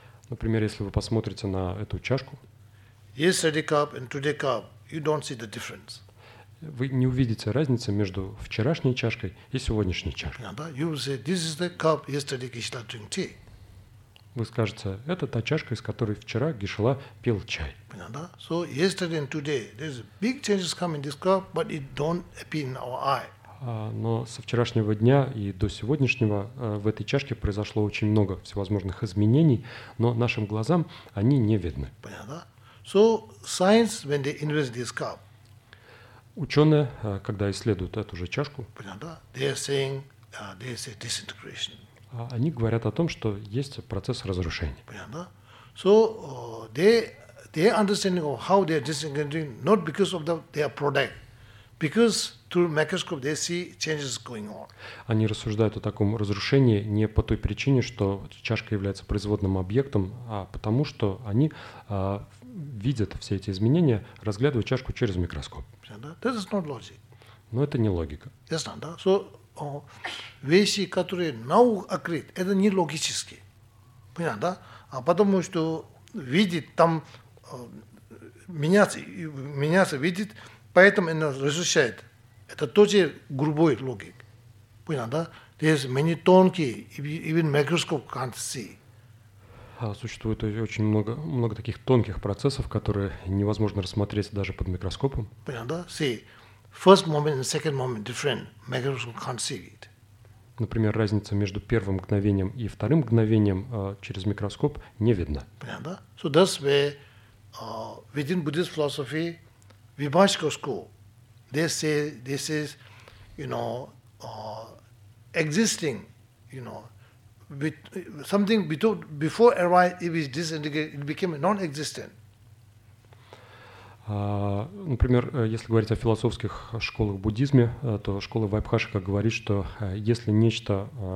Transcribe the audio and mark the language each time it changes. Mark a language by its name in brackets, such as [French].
[Russian] Например, если вы посмотрите на эту чашку, [English] yesterday cup and today cup, you don't see the difference. [Russian] Вы не увидите разницы между вчерашней чашкой и сегодняшней чашкой. [English] Yeah, you will say, this is the cup yesterday Geshe-la drink tea. [Russian] Вы скажете, это та чашка, из которой вчера Geshe-la пил чай. [English] Yeah, so yesterday and today, there's big changes come in this cup, but it don't appear in our eye. [Russian] Но со вчерашнего дня и до сегодняшнего в этой чашке произошло очень много всевозможных изменений, но нашим глазам они не видны. Понятно? [English] So science, when they investigate this cup, [Russian] ученые, когда исследуют эту же чашку, понятно? [English] They are saying, there is a disintegration. [Russian] Они говорят о том, что есть процесс разрушения. Понятно? [English] So they understanding of how they are disintegrating not because of their product. Because through microscope they see changes going on. [Russian] Они рассуждают о таком разрушении не по той причине, что чашка является производным объектом, а потому что они видят все эти изменения, разглядывая чашку через микроскоп. [English] This is not logic. [Russian] Но это не логика. [English] Yes, [Russian] да. [English] So [Russian] вещи, которые [English] now occurred, [Russian] это не логически. Понятно, да? А потому что видит там меняться видит. Поэтому она разрушает. Это тоже грубой логик. Понятно, да? [English] There is many [Russian] тонкие, [English] even microscope can't see. [Russian] Существует очень много таких тонких процессов, которые невозможно рассмотреть даже под микроскопом. Понятно, да? [English] See, first moment and second moment different. Microscope can't see it. [Russian] Например, разница между первым мгновением и вторым мгновением через микроскоп не видна. Понятно, да? [English] So that's where within Buddhist philosophy Vibhashika school, they say this is, you know, existing, you know, something before arrived, it was disintegrated, it became non-existent. [Russian] Например, если говорить о философских школах в буддизме, то школа Вайбхашика говорит, что если нечто